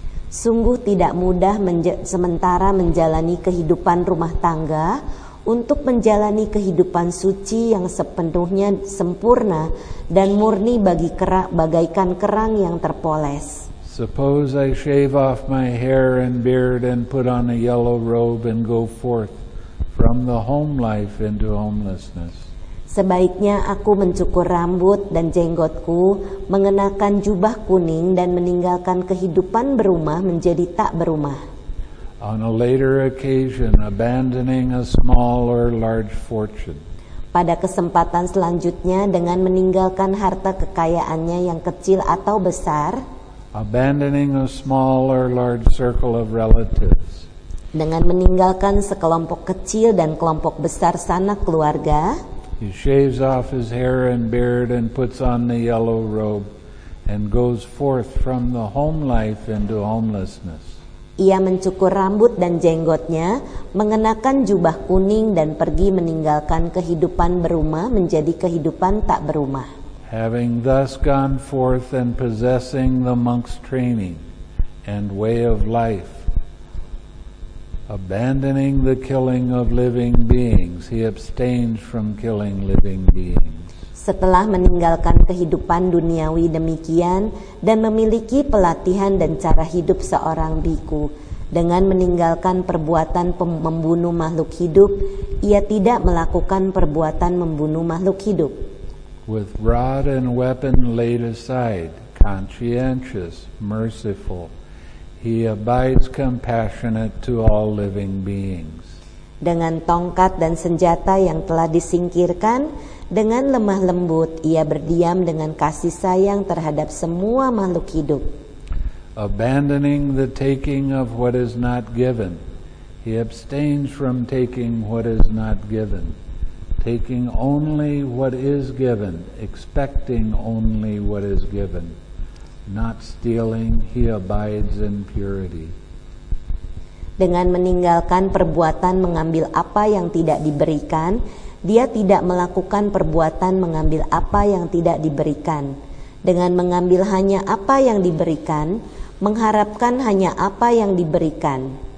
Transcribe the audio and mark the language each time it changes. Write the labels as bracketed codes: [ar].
[id] Sungguh tidak mudah sementara menjalani kehidupan rumah tangga untuk menjalani kehidupan suci yang sepenuhnya sempurna dan murni bagi bagaikan kerang yang terpoles. [en] Suppose I shave off my hair and beard and put on a yellow robe and go forth from the home life into homelessness. [id] Sebaiknya aku mencukur rambut dan jenggotku, mengenakan jubah kuning dan meninggalkan kehidupan berumah menjadi tak berumah. [en] On a later occasion, abandoning a small or large fortune. [id] Pada kesempatan selanjutnya dengan meninggalkan harta kekayaannya yang kecil atau besar. [en] Abandoning a small or large circle of relatives. [id] Dengan meninggalkan sekelompok kecil dan kelompok besar sanak keluarga. [en] He shaves off his hair and beard and puts on the yellow robe and goes forth from the home life into homelessness. [id] Ia mencukur rambut dan jenggotnya, mengenakan jubah kuning dan pergi meninggalkan kehidupan berumah menjadi kehidupan tak berumah. [en] Having thus gone forth and possessing the monk's training and way of life, abandoning the killing of living beings, he abstains from killing living beings. [id] Setelah meninggalkan kehidupan duniawi demikian dan memiliki pelatihan dan cara hidup seorang bhikkhu, dengan meninggalkan perbuatan membunuh makhluk hidup, ia tidak melakukan perbuatan membunuh makhluk hidup. [en] With rod and weapon laid aside, conscientious, merciful, he abides compassionate to all living beings. [id] Dengan tongkat dan senjata yang telah disingkirkan, dengan lemah lembut, ia berdiam dengan kasih sayang terhadap semua makhluk hidup. [en] Abandoning the taking of what is not given, he abstains from taking what is not given, taking only what is given, expecting only what is given. Not stealing, he abides in purity. [id] Dengan meninggalkan perbuatan mengambil apa yang tidak diberikan, dia tidak melakukan perbuatan mengambil apa yang tidak diberikan. Dengan mengambil hanya apa yang diberikan, mengharapkan hanya apa yang diberikan.